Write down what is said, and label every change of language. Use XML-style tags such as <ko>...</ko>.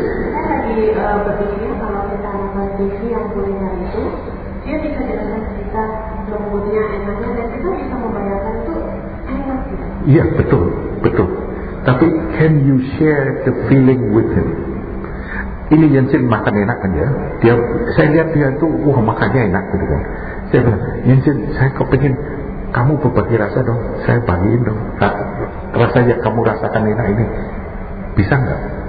<id>Saya lagi berpikir kalau kita membuat TV yang kuliner itu, dia bisa jelaskan cerita kemudian enaknya, dan kita bisa membayangkan itu enak. Iya, betul, betul. Tapi,</id> <en>can you share the feeling with him?</en> <id>Ini Yensin makan enak kan ya? Dia, saya lihat dia itu, wah makannya enak gitu kan. Saya bilang, Yensin, saya kepengen kamu berbagi rasa dong, saya bagiin dong. Nah, rasa yang kamu rasakan enak ini, bisa nggak?</id>